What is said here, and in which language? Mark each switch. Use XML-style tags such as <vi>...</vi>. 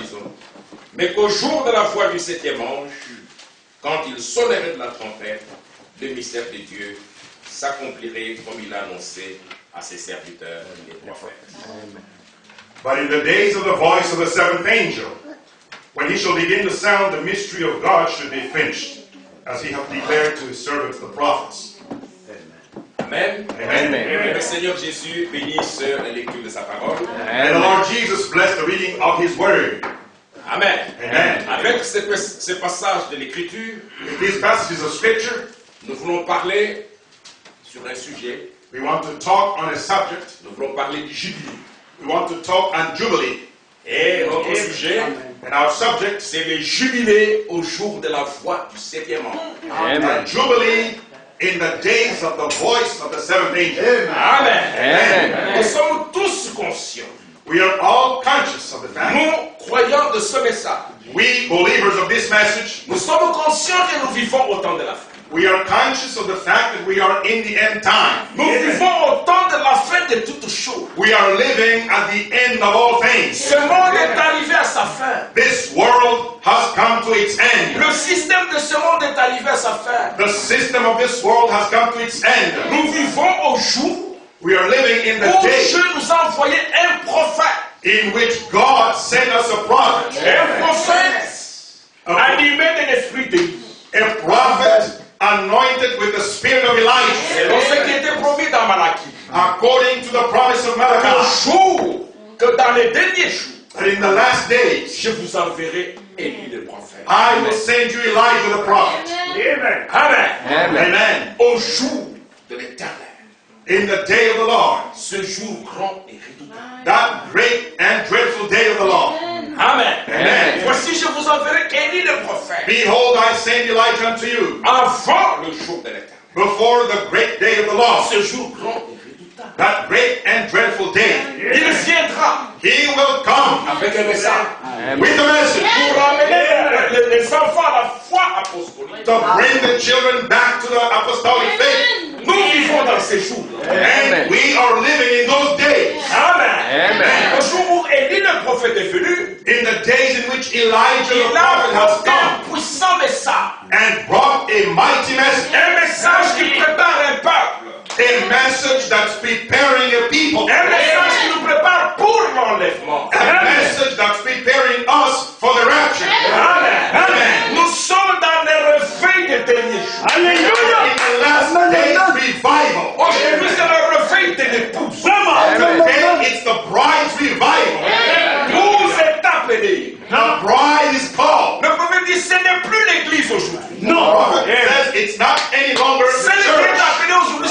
<fr>Disons, mais qu'au jour de la voix du septième ange, quand il sonnerait de la trompette, le mystère de Dieu s'accomplirait comme il l'a annoncé à ses serviteurs, les prophètes.</fr> <en>But in the days of the voice of the seventh angel, when he shall begin to sound, the mystery of God should be finished, as he hath declared to his servants the prophets. Amen. Amen. Amen.</en> <fr>Que le Seigneur Jésus bénisse la lecture de sa parole. Amen.</fr> <en>The Lord Jesus bless the reading of his word. Amen. Amen.</en> <fr>Avec ce passage de l'écriture,</fr> <en>with these passages of scripture,</en> <fr>nous voulons parler sur un sujet.</fr> <en>We want to talk on a subject.</en> <fr>Nous voulons parler du jubilé.</fr> <en>We want to talk on jubilee.</en> <fr>Et notre Amen. Sujet,</fr> <en>Amen. And our subject,</en> <fr>c'est le jubilé au jour de la voix du septième ange. Amen.</fr> <en>Jubilee. In the days of the voice of the seventh angel. Amen. Amen.</en> <fr>Nous sommes tous conscients.</fr> <en>We are all conscious of the fact.</en> <fr>Nous croyons de ce message.</fr> <en>We believers of this message.</en> <fr>Nous sommes conscients que nous vivons au temps de la fin.</fr> <en>We are conscious of the fact that we are in the end time.</en> <fr>Nous Amen. Vivons au temps de la fin de toutes choses.</fr> <en>We are living at the end of all things.</en> <fr>Ce monde Amen. Est arrivé à sa fin.</fr> <en>This world has come to its end.</en> <fr>Le système de ce monde est arrivé à sa fin.</fr> <en>The system of this world has come to its end.</en> <fr>Nous vivons au jour.</fr> <en>We are living in the</en> <fr>où</fr> <en>day.</en> <fr>Dieu nous a envoyé un prophète.</fr> <en>In which God sent us a prophet.</en> <fr>Amen. Un prophète animé de l'esprit de Dieu.</fr> <en>A prophet. Anointed with the spirit of Elijah. According to the promise of Malachi. That in the last days.</en> <fr>Je vous enverrai Élie le prophète.</fr> <en>I will send you Elijah the prophet. Amen. Amen. Amen.</en> <fr>Au jour de l'éternel.</fr> <en>In the day of the Lord.</en> <fr>Ce jour grand et redoutable.</fr> <en>That great and dreadful day of the Lord. Amen. Amen.</en> <fr>Voici, je vous enverrai Élie le prophète.</fr> <en>Behold, I send Elijah unto you.</en> <fr>Avant le jour de l'Éternel.</fr> <en>Before the great day of the Lord.</en> <fr>Ce jour grand.</fr> <en>That great and dreadful day.</en> <fr>Il viendra.</fr> <en>He will come.</en> <fr>Avec un message.</fr> <en>With a message.</en> <fr>Pour amener les enfants à la foi apostolique.</fr> <en>To bring the children back to the apostolic faith.</en> <fr>Nous vivons dans ces jours.</fr> <en>And we are living in those days. Amen. Amen.</en> <fr>Le jour où Élie le prophète est venu.</fr> <en>In the days in which Elijah the prophet has come.</en> <fr>Un puissant message.</fr> <en>And brought a mighty message.</en> <fr>Un message qui prépare un peuple.</fr> <en>A message that's preparing a people.</en> <fr>Un message qui nous prépare pour l'enlèvement.</fr> <en>A message that's preparing us for the rapture. Amen. Amen.</en> <fr>Nous sommes dans le réveil des derniers jours. Alléluia.</fr> <en>In the last days of revival.</en> <fr>Aujourd'hui c'est le réveil des épouses. Vraiment.</fr> <en>Today it's the bride's revival.</en> <fr>Vous êtes appelés.</fr> <en>The bride is called.</en> <fr>Le prophète dit ce n'est plus l'église aujourd'hui.</fr> <en>No, says it's not any longer the church.</en>